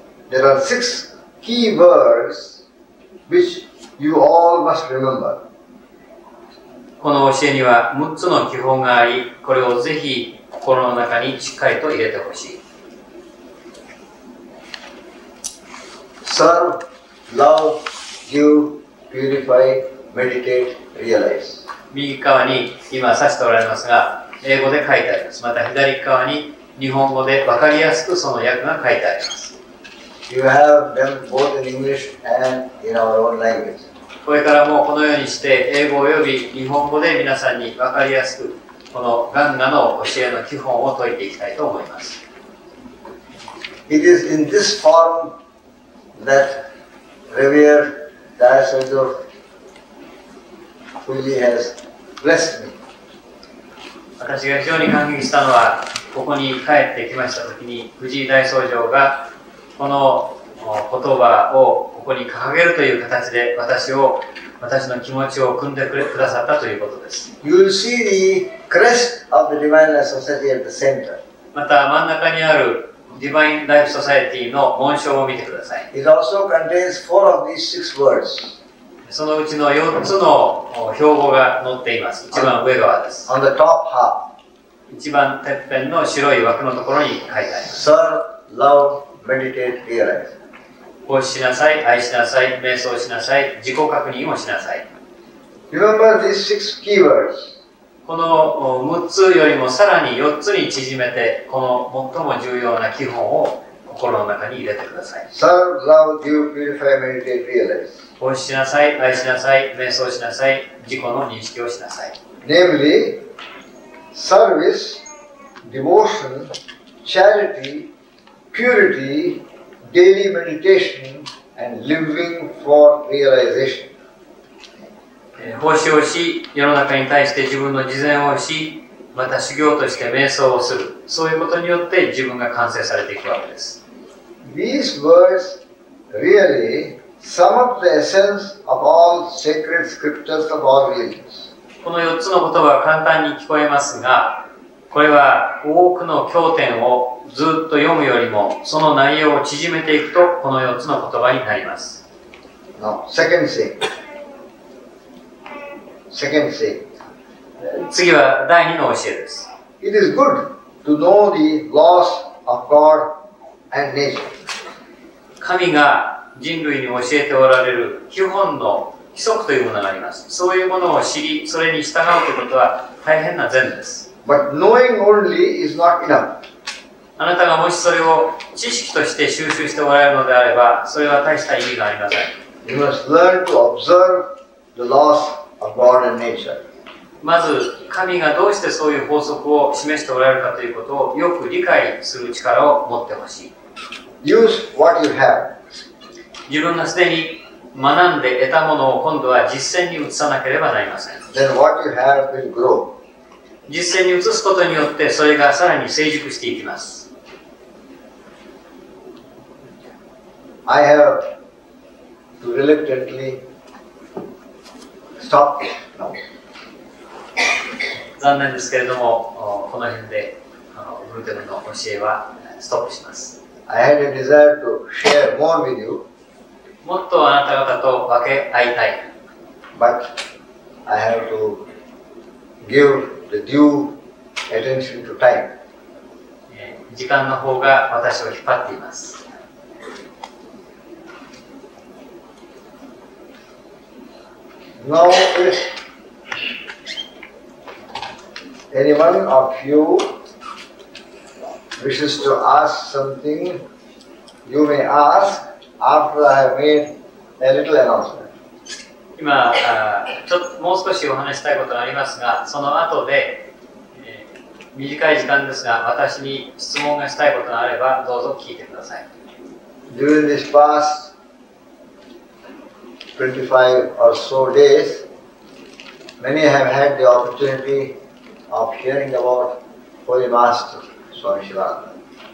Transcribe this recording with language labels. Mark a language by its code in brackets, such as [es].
[en] There are six key words which you all must remember. [ja] この教えには6つの基本があり、これをぜひ心の中にしっかりと入れてほしい。 [en] Serve, love, give, purify, meditate, realize. [ja] 右側に今指しておられますが、英語で書いてあります。また左側に日本語で分かりやすくその訳が書いてあります。 [en] You have them both in English and in our own language. [ja] これからもこのようにして英語及び日本語で皆さんに分かりやすくこのガンガの教えの基本を説いていきたいと思います。 [en] It is in this form that Revere Dasajo Fuji has blessed me. [ja] 私が非常に感激したのはここに帰ってきましたときに藤井大僧正がこの言葉をここに掲げるという形で私の気持ちを汲んでくださったということです。 [en] You will see the crest of the Divine Life Society at the center. [ja] また真ん中にある Divine Life Society の紋章を見てください。 [en] It also contains four of these six words. [ja] そのうちの4つの標語が載っています。一番上側です。 [en] On the top half. [ja] 一番てっぺんの白い枠のところに書いてあります。 [en] Serve, love, meditate, realize. [ja] 奉仕しなさい、愛しなさい、瞑想しなさい、自己確認をしなさい。 [en] Remember these six keywords. [ja] この6つよりもさらに4つに縮めて、この最も重要な基本を心の中に入れてください。 [en] Serve, love, give, purify, meditate, realize. [ja] 奉仕しなさい、愛しなさい、瞑想しなさい、自己の認識をしなさい。 [en] Namely, service, devotion, charity, purity,Daily meditation and living for realization. [ja] 奉仕をし、世の中に対して自分の慈善をし、また修行として瞑想をする、そういうことによって自分が完成されていくわけです。 [en] These words really sum up the essence of all sacred scriptures of all religions. [ja] この4つの言葉は簡単に聞こえますが、これは多くの経典をずっと読むよりも、その内容を縮めていくと、この4つの言葉になります。 [en] No, second thing. Second thing. [ja] 次は第2の教えです。 [en] It is good to know the laws of God and nature. [ja] 神が人類に教えておられる基本の規則というものがあります。そういうものを知り、それに従うということは大変な善です。 [en] But knowing only is not enough. [ja] あなたがもしそれを知識として収集しておられるのであれば、それは大した意味がありません。 [en] You must learn to observe the laws of God and nature. [ja] まず、神がどうしてそういう法則を示しておられるかということをよく理解する力を持ってほしい。 [en] Use what you have. [ja] 自分がすでに学んで得たものを今度は実践に移さなければなりません。 [en] Then what you have will grow. [ja] 実践に移すことによってそれがさらに成熟していきます。 [en] I have to reluctantly stop now. [ja] 残念ですけれども、この辺でブルテムの教えはストップします。 [en] I had a desire to share more with you. [ja] もっとあなた方と分け合いたい。 [en] But I have to give. The due attention to time. [ja] 時間の方が私を引っ張っています。 [en] Now, if anyone of you wishes to ask something, you may ask after I have made a little announcement. [ja] 今もう少しお話したいことがありますが、その後で、短い時間ですが、私に質問がしたいことがあればどうぞ聞いてください。 [en] During this past 25 or so days, many have had the opportunity of hearing about Holy Master Swami Sivananda.